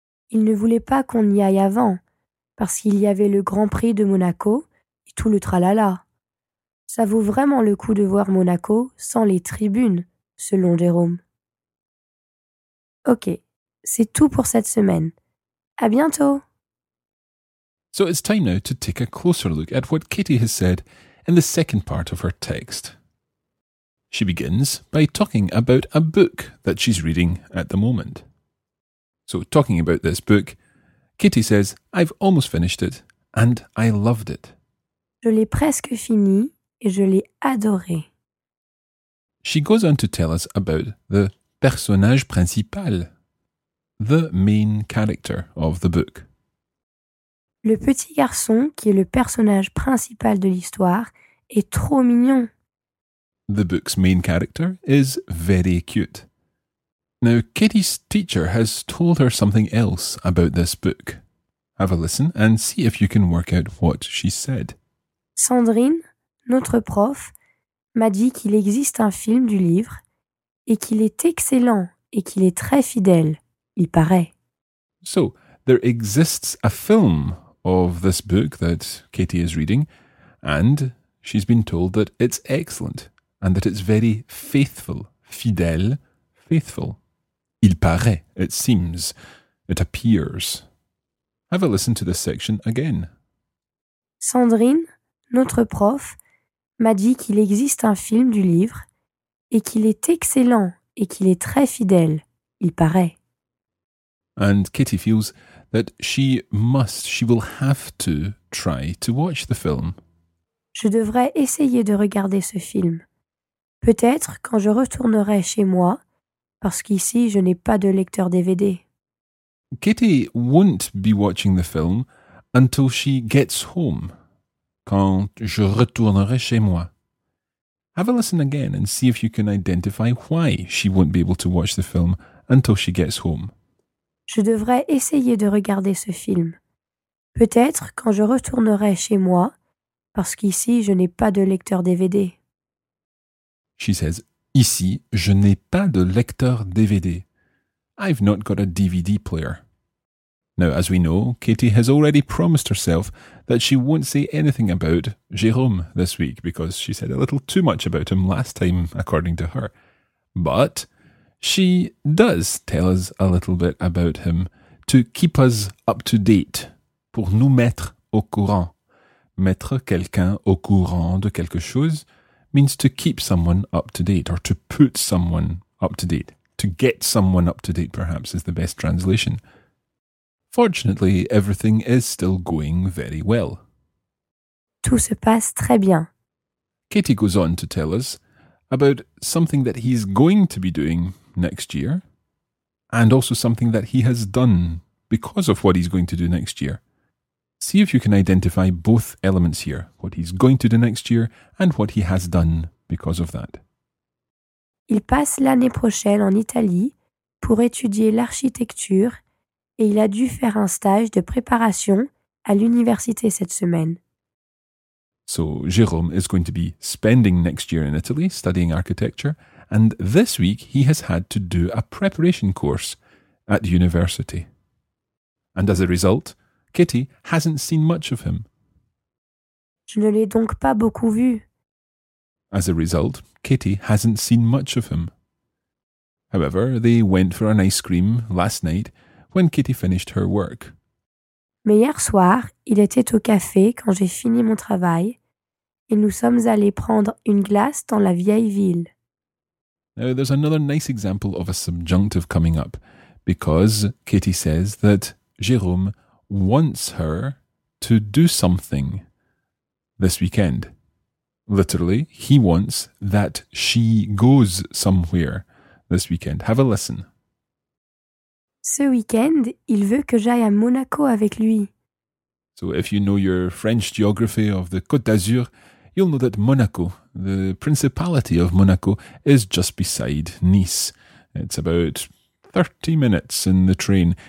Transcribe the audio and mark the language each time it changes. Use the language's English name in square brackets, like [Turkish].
[French] Il ne voulait pas qu'on y aille avant, parce qu'il y avait le Grand Prix de Monaco et tout le tralala. Ça vaut vraiment le coup de voir Monaco sans les tribunes, selon Jérôme. Ok, c'est tout pour cette semaine. À bientôt! [English] So it's time now to take a closer look at what Katie has said in the second part of her text. She begins by talking about a book that she's reading at the moment. So talking about this book, Katie says, I've almost finished it and I loved it. [French] Je l'ai presque fini et je l'ai adoré. [English] She goes on to tell us about the personnage principal, the main character of the book. [French] Le petit garçon qui est le personnage principal de l'histoire est trop mignon. [English] The book's main character is very cute. Now, Katie's teacher has told her something else about this book. Have a listen and see if you can work out what she said. [French] Sandrine, notre prof, m'a dit qu'il existe un film du livre et qu'il est excellent et qu'il est très fidèle, il paraît. [English] So, there exists a film of this book that Katie is reading, and she's been told that it's excellent, and that it's very faithful, fidèle, faithful. [French] Il paraît, [English] it seems, it appears. Have a listen to this section again. [French] Sandrine, notre prof, m'a dit qu'il existe un film du livre, et qu'il est excellent, et qu'il est très fidèle, il paraît. [English] And Katie feels that she will have to try to watch the film. [French] Je devrais essayer de regarder ce film. Peut-être quand je retournerai chez moi, parce qu'ici je n'ai pas de lecteur DVD. [English] Katie won't be watching the film until she gets home, [French] quand je retournerai chez moi. [English] Have a listen again and see if you can identify why she won't be able to watch the film until she gets home. [French] Je devrais essayer de regarder ce film. Peut-être quand je retournerai chez moi, parce qu'ici je n'ai pas de lecteur DVD. [English] She says, [French] ici je n'ai pas de lecteur DVD. [English] I've not got a DVD player. Now, as we know, Katie has already promised herself that she won't say anything about Jérôme this week, because she said a little too much about him last time, according to her. But she does tell us a little bit about him to keep us up to date, [French] pour nous mettre au courant. Mettre quelqu'un au courant de quelque chose [English] means to keep someone up to date or to put someone up to date. To get someone up to date, perhaps, is the best translation. Fortunately, everything is still going very well. [French] Tout se passe très bien. [English] Katie goes on to tell us about something that he's going to be doing next year, and also something that he has done because of what he's going to do next year. See if you can identify both elements here, what he's going to do next year and what he has done because of that. [French] Il passe l'année prochaine en Italie pour étudier l'architecture et il a dû faire un stage de préparation à l'université cette semaine. [English] So, Jérôme is going to be spending next year in Italy studying architecture, and this week he has had to do a preparation course at university. And as a result, Katie hasn't seen much of him. [French] Je ne l'ai donc pas beaucoup vu. [English] As a result, Katie hasn't seen much of him. However, they went for an ice cream last night when Katie finished her work. [French] Mais hier soir, il était au café quand j'ai fini mon travail et nous sommes allés prendre une glace dans la vieille ville. [English] Now, there's another nice example of a subjunctive coming up because Katie says that Jérôme wants her to do something this weekend. Literally, he wants that she goes somewhere this weekend. Have a listen. [French] Ce week-end, il veut que j'aille à Monaco avec lui. [English] So if you know your French geography of the Côte d'Azur, you'll know that Monaco, the principality of Monaco, is just beside Nice. It's about 30 minutes in the train.